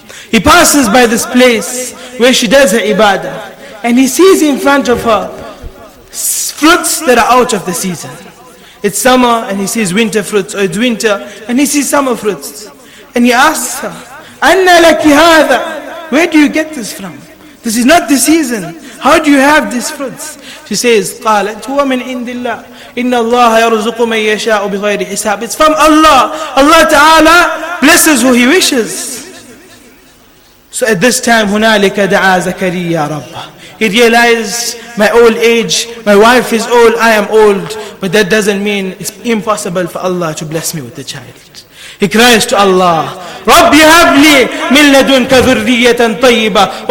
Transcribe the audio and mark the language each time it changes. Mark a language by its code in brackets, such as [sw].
[en] He passes by this place where she does her ibadah, and he sees in front of her fruits that are out of the season. It's summer and he sees winter fruits, or it's winter and he sees summer fruits. And he asks her, [ar] Anna laki hadha, [en] where do you get this from? This is not the season. How do you have these fruits? She says, [ar] قَالَتْ هُوَ مِنْ عِنْدِ اللَّهِ إِنَّ اللَّهَ يَرْزُقُ مَنْ يَشَاءُ بِغَيْرِ حِسَابٍ. [en] It's from Allah. Allah Ta'ala blesses who He wishes. So at this time, [ar] هُنَالِكَ دَعَى زَكَرِيَّا رَبَّهُ. [en] He realized, my old age, my wife is old, I am old. But that doesn't mean it's impossible for Allah to bless me with a child. He cries to Allah, [ar] رَبِّ هَبْ لِي مِنْ لَدُنْكَ ذُرِّيَّةً طَيِّبًا.